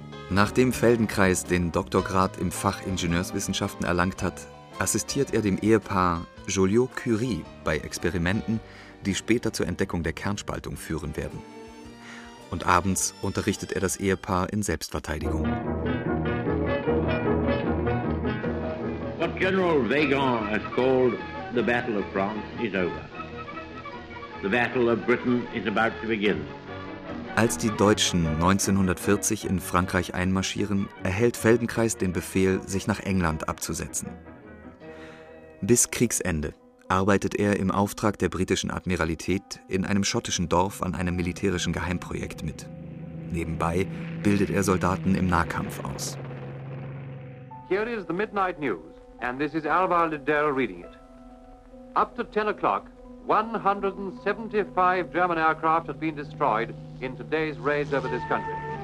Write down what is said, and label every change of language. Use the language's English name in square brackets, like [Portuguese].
[German] Nachdem Feldenkrais den Doktorgrad im Fach Ingenieurswissenschaften erlangt hat, assistiert er dem Ehepaar Joliot-Curie bei Experimenten, die später zur Entdeckung der Kernspaltung führen werden. Und abends unterrichtet er das Ehepaar in Selbstverteidigung. [English] What General Wagon has called the Battle of France is over. The battle of Britain is about to begin. [German] Als die Deutschen 1940 in Frankreich einmarschieren, erhält Feldenkrais den Befehl, sich nach England abzusetzen. Bis Kriegsende arbeitet er im Auftrag der britischen Admiralität in einem schottischen Dorf an einem militärischen Geheimprojekt mit. Nebenbei bildet er Soldaten im Nahkampf aus. [English] Here is the midnight news, and this is Alvar Liddell reading it. Up to 10 o'clock, 175 German aircraft have been destroyed in today's raids over this country.